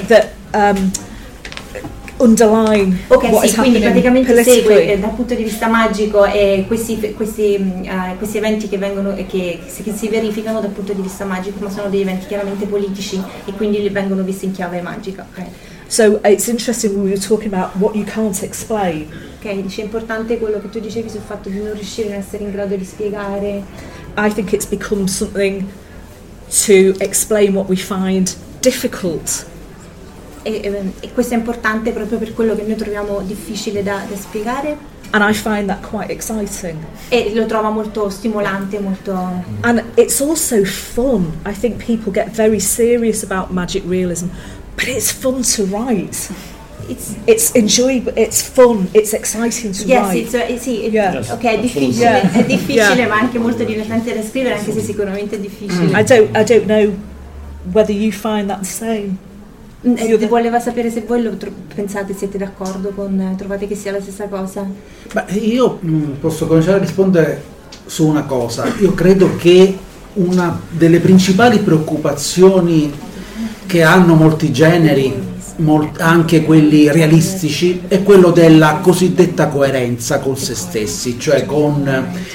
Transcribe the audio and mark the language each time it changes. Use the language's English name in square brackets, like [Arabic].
[English] that underline, okay, what, is happening. [Italian] Quindi praticamente segue dal punto di vista magico questi eventi che vengono che si verificano dal punto di vista magico, ma sono degli eventi chiaramente politici e quindi li vengono visti in chiave magica. Okay. [English] So it's interesting when we were talking about what you can't explain. [Italian] Okay, dice importante quello che tu dicevi sul fatto di non riuscire a essere in grado di spiegare. [English] I think it's become something to explain what we find difficult. [Italian] E questo è importante proprio per quello che noi troviamo difficile da spiegare. [English] And I find that quite exciting. E lo trovo molto stimolante, molto. And it's also fun. I think people get very serious about magic realism, but it's fun to write. It's enjoyable. It's fun. It's exciting to yes, write. It's, sì, it, yes. Okay, difficile. Yeah. [Italian] È difficile, [English] yeah. [Italian] Ma anche molto divertente da scrivere, anche se sicuramente è difficile. Mm. [English] I don't know whether you find that the same. [Italian] Voleva sapere se voi lo pensate, siete d'accordo con, trovate che sia la stessa cosa? Beh, io posso cominciare a rispondere su una cosa. Io credo che una delle principali preoccupazioni che hanno molti generi, anche quelli realistici, è quello della cosiddetta coerenza con se stessi, cioè con,